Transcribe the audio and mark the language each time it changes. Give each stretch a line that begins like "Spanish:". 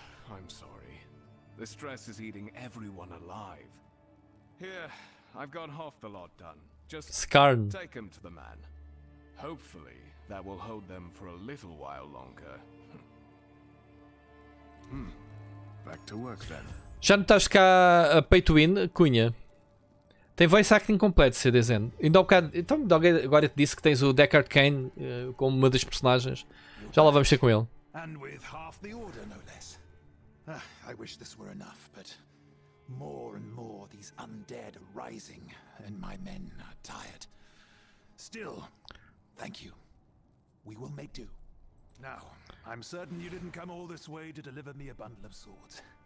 English: I'm sorry. The stress is eating everyone alive. Here, I've got half the lot done. Just Skarn. Take him to the man. Hopefully, that will hold them for a little while longer. Back to work then.
Portuguese: Já não estás cá a pay to win, Cunha? Tem voice acting completo, se dizendo. Ainda um bocado, então, agora eu te disse que tens o Deckard Cain como uma das personagens. Já lá vamos ter com ele.
English: And with half the order, no less. I wish this were enough, but more and more these undead are rising and my men are tired. Still, thank you. We will make do. Now, I'm certain you didn't come all this way to deliver me a bundle of swords.